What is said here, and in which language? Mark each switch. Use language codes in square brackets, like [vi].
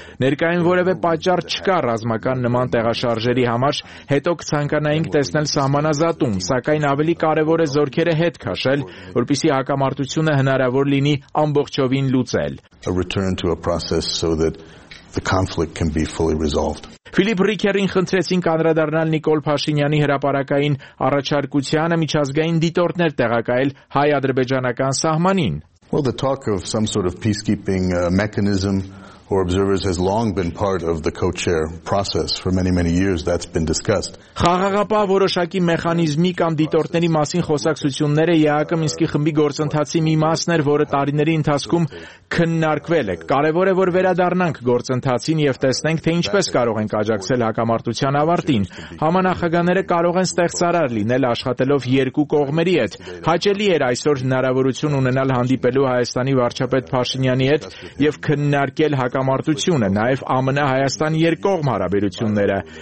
[hy] ներկայն որևէ պատճառ չկա ռազմական նման տեղաշարժերի համար, հետո կցանկանայինք տեսնել սահմանազատում, սակայն ավելի կարևոր է զորքերը հետ քաշել, որպիսի հակամարտությունը հնարավոր լինի ամբողջովին լուծել։ [en] The conflict can be fully resolved. [hy] Ֆիլիպ Ռիքերին խնդրեցին կանդրադառնալ Նիկոլ Փաշինյանի հրապարակային առաջարկությանը միջազգային դիտորդներ տեղակայել հայ-ադրբեջանական սահմանին։ [en] Well, the talk of some sort of peacekeeping mechanism or observers has long been part of the co-chair process for many, many years. That's been discussed. [hy] Խաղաղապահ որոշակի մեխանիզմի կամ դիտորդների մասին խոսակցությունները ԵԱԿ Մինսկի խմբի գործընթացի մի մասն էր, որը տարիների ընթացքում քննարկվել է։ Կարևոր է, որ վերադառնանք գործընթացին եւ տեսնենք, թե ինչպես կարող ենք աջակցել հակամարտության ավարտին։ Համանախագաները կարող են ստեղծարար լինել աշխատելով երկու կողմերի հետ։ Հաճելի էր այսօր հնարավորություն ունենալ հանդիպելու Հայաստանի վարչապետ Փաշինյանի հետ եւ քննարկել հակամարտությունը, նաև ԱՄՆ Հայաստան երկկողմ հարաբերությունները։